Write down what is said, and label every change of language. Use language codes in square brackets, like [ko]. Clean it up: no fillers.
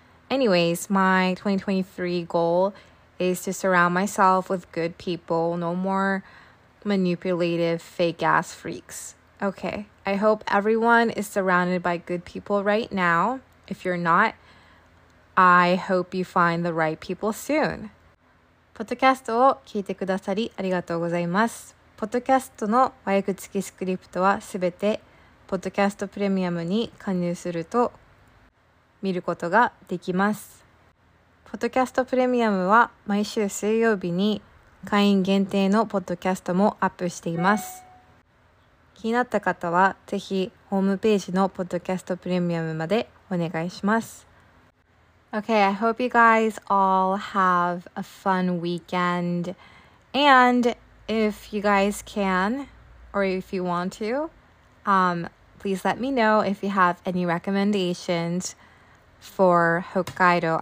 [en] Anyways, my 2023 goal is to surround myself with good people, no more manipulative, fake-ass freaks. Okay, I hope everyone is surrounded by good people right now. If you're not, I hope you find the right people soon. [ja] ポッドキャストを聞いてくださりありがとうございます。ポッドキャストの和訳付きスクリプトはすべてポッドキャストプレミアムに加入すると見ることができます。ポッドキャストプレミアムは毎週水曜日に会員限定のポッドキャストもアップしています。気になった方はぜひホームページのポッドキャストプレミアムまでお願いします。 [en] Okay, I hope you guys all have a fun weekend. And if you guys can, or if you want to, please let me know if you have any recommendations for Hokkaido.